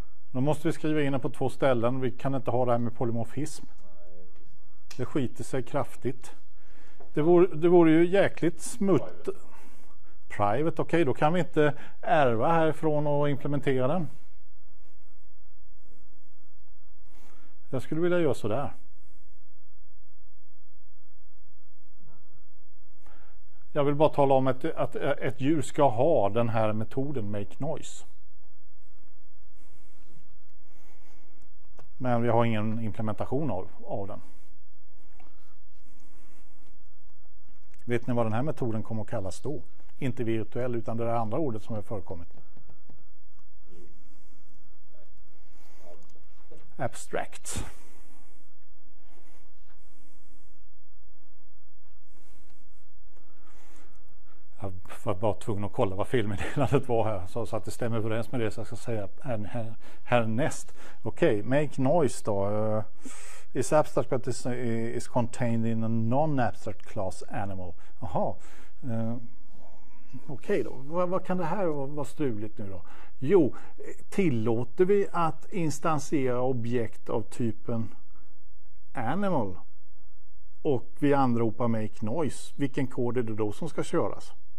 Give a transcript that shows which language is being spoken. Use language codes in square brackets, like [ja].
[sv] Då måste vi skriva in det på två ställen. Vi kan inte ha det här med polymorfism. Det skiter sig kraftigt. Det vore ju jäkligt smutt. Private, okej. Okay. Då kan vi inte ärva härifrån och implementera den. Jag skulle vilja göra sådär. Jag vill bara tala om att ett djur ska ha den här metoden make noise. Men vi har ingen implementation av den. Vet ni vad den här metoden kommer att kallas då? Inte virtuell, utan det andra ordet som har förekommit. Abstract. Jag var bara tvungen att kolla vad filmmeddelandet var här. Så att det stämmer överens med det så jag ska säga härnäst. Okej, okay. Make noise då. [en] Is abstract but is contained in a non-abstract class animal. [sv] Jaha. okej då, vad kan det här vara struligt nu då? Jo, tillåter vi att instansiera objekt av typen animal och vi anropar make noise, vilken kod är det då som ska köras?